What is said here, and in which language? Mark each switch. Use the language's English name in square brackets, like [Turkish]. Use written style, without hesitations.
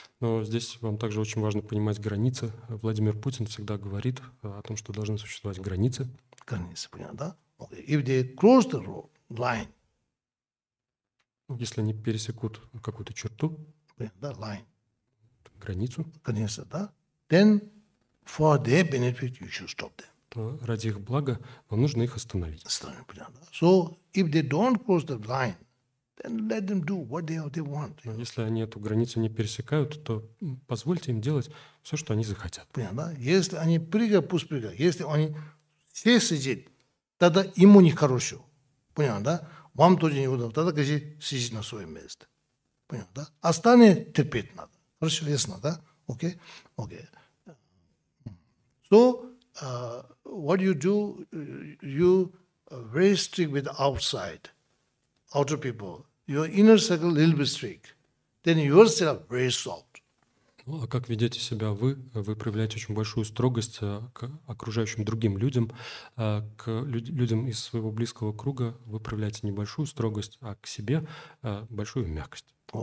[Russian] Но здесь вам также очень важно понимать границы. Владимир Путин всегда говорит о том, что должны существовать границы. Ганеса, понятно, да? [English] Okay. If they cross the road, line. [Russian] Если они пересекут какую-то черту. Понятно, да, line. Границу. Ганеса, да? [English] Then for their benefit, you should stop them. [Russian] То ради их блага вам нужно их остановить. Остановить, понятно, да? [English] So if they don't cross the line, and let them do what they want. [Russian] Но если они эту границу не пересекают, то позвольте им делать все, что они захотят. Понятно, да? Если они прыгают, пусть прыгают. Если они все сидят, тогда ему нехорошо. Понятно, да? Вам тоже не удалось. Тогда говорит, сидит на своем месте. Понятно, да? Останется, терпеть надо. Хорошо, ясно, да? Окей? Окей. [English] So, what you do, you very strict with outside. Outer people, your inner circle a little bit strict, then yourself very soft. [Russian] Ну, а как ведете себя вы? Вы проявляете очень большую строгость к окружающим другим людям, к людям из своего близкого круга вы проявляете небольшую строгость, а к себе большую мягкость.